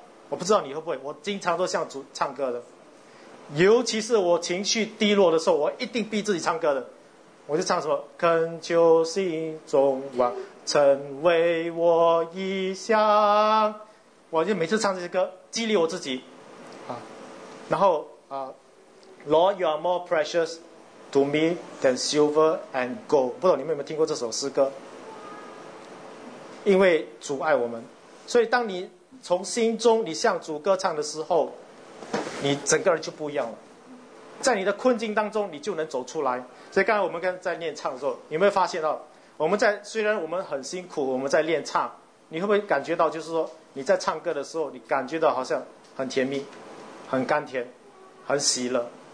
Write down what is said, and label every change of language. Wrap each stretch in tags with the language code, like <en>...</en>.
<zh>我不知道你会不会，我经常都向主唱歌的，尤其是我情绪低落的时候，我一定逼自己唱歌的。我就唱什么恳求心中王成为我一项，我就每次唱这些歌激励我自己啊。然后啊，</zh> <en>Lord you are more precious to me than silver and gold，</en> <zh>不知道你们有没有听过这首诗歌，因为主爱我们。所以当你从心中你向主歌唱的时候，你整个人就不一样了，在你的困境当中你就能走出来。所以刚才我们跟在练唱的时候，你有没有发现到我们在虽然我们很辛苦我们在练唱，你会不会感觉到就是说你在唱歌的时候你感觉到好像很甜蜜很甘甜很喜乐。</zh>